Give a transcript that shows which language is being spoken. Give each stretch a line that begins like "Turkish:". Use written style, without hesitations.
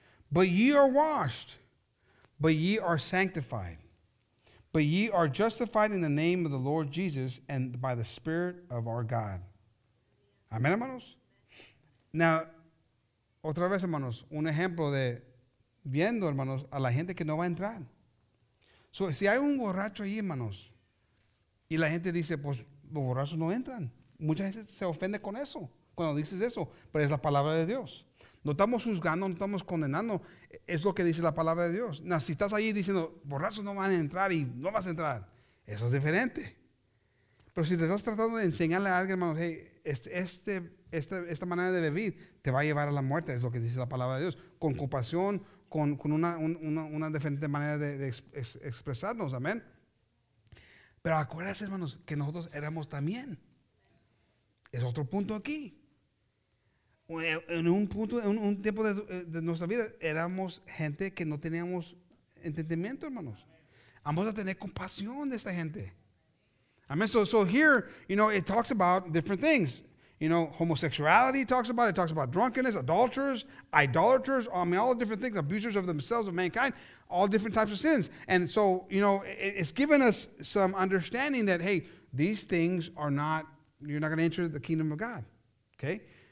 English: But ye are washed, but ye are sanctified, but ye are justified in the name of the Lord Jesus and by the Spirit of our God.
Spanish: Amén, hermanos. Now, otra vez, hermanos, un ejemplo de viendo, hermanos, a la gente que no va a entrar. So, si hay un borracho ahí, hermanos, y la gente dice, pues los borrachos no entran. Mucha gente se ofende con eso, cuando dices eso, pero es la palabra de Dios. No estamos juzgando, no estamos condenando, es lo que dice la palabra de Dios. Now, si estás ahí diciendo, borrachos no van a entrar y no vas a entrar, eso es diferente. Pero si te estás tratando de enseñarle a alguien, hermano, hey, esta manera de vivir te va a llevar a la muerte, es lo que dice la palabra de Dios, con compasión, con una diferente manera de expresarnos, amén. Pero acuérdate, hermanos, que nosotros éramos también. Es otro punto aquí. En un punto, en un tiempo de nuestra vida, éramos gente que no teníamos entendimiento, hermanos. Vamos a tener compasión de esta gente. Amen.
English: So here, you know, it talks about different things. You know, homosexuality talks about it. It talks about drunkenness, adulterers, idolaters, I mean, all different things, abusers of themselves, of mankind, all different types of sins. And so, you know, it's given us some understanding that, hey, these things are not, you're not going to enter the kingdom of God. Okay?